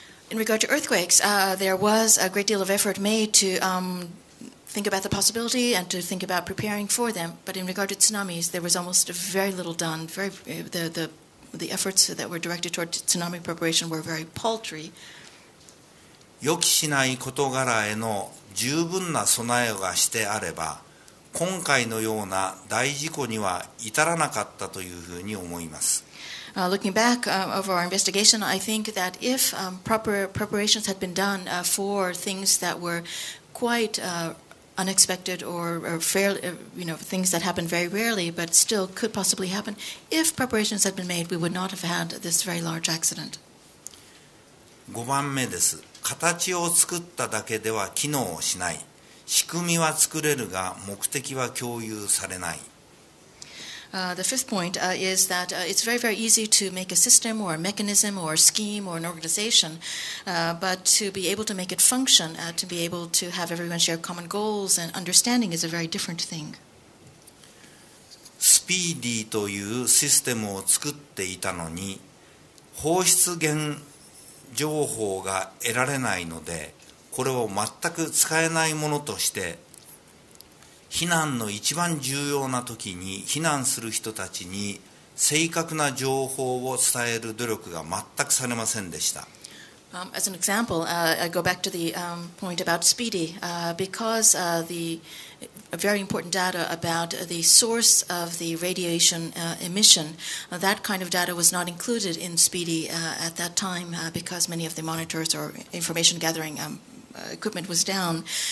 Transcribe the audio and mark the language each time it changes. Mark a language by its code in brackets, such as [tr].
[en] In regard to earthquakes, there was a great deal of effort made to think about the possibility and to think about preparing for them. But in regard to tsunamis, there was almost very little done. The efforts that were directed toward tsunami preparation were very paltry. [ja] 予期しない事柄への十分な備えがしてあれば、今回のような大事故には至らなかったというふうに思います。 [en] Looking back over our investigation, I think that if proper preparations had been done for things that were quite unexpected or fairly, you know, things that happen very rarely but still could possibly happen, if preparations had been made, we would not have had this very large accident. [ja] 5番目です。形を作っただけでは機能をしない。仕組みは作れるが目的は共有されない。 [en] The fifth point is that it's very, very easy to make a system or a mechanism or a scheme or an organization, but to be able to make it function, to be able to have everyone share common goals and understanding is a very different thing. [ja] スピーディーというシステムを作っていたのに、放出源情報が得られないので、これを全く使えないものとして、避難の一番重要な時に避難する人たちに正確な情報を伝える努力が全くされませんでした。 [en] As an example, I go back to the point about speedy. Because the very important data about the source of the radiation emission, that kind of data was not included in speedy at that time because many of the monitors or information gathering equipment was down.